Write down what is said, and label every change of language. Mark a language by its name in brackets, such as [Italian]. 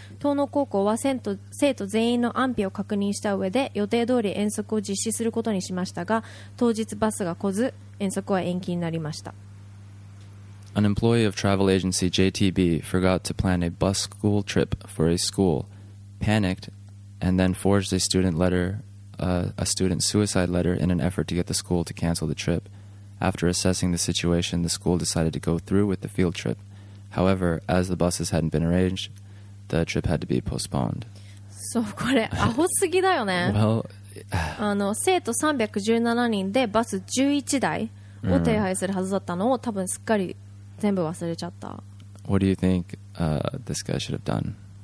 [Japanese] 東農高校は生徒全員の安否を確認した上で予定通り遠足を実施することにしましたが、当日バスが来ず遠足は延期になりました。 [English] An employee of travel agency JTB forgot to plan a bus school trip for a school, panicked, and then forged a student suicide letter in an effort to get the school to cancel the trip. After assessing the situation, the school decided to go through with the field trip. However, as the buses hadn't been arranged, the trip had to be postponed. [Japanese] そう、これアホすぎだよね。 [English] Well, [Japanese] 生徒317人でバス11台を手配するはずだったのを多分すっかり全部忘れちゃった。 [English] What do you think this guy should have done?